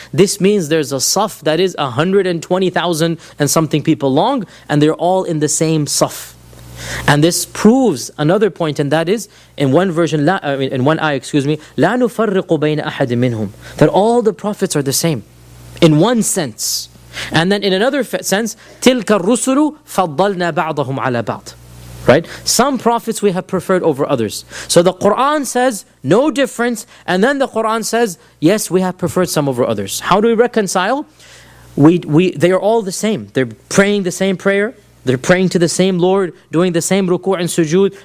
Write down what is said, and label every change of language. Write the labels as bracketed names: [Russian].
[English] This means there's a saf that is 120,000 and something people long, and they're all in the same saf. And this proves another point, and that is, in one version, [Arabic] لَا نُفَرِّقُ بَيْنَ أَحَدٍ مِّنْهُمْ, [English] that all the Prophets are the same, in one sense. And then in another sense, [Arabic] تِلْكَ الرُّسُلُ فَضَّلْنَا بَعْضَهُمْ عَلَى بَعْضٍ. [English] Right? Some Prophets we have preferred over others. So the Qur'an says, no difference, and then the Qur'an says, yes, we have preferred some over others. How do we reconcile? They are all the same. They're praying the same prayer. They're praying to the same Lord, doing the same ruku' and sujood.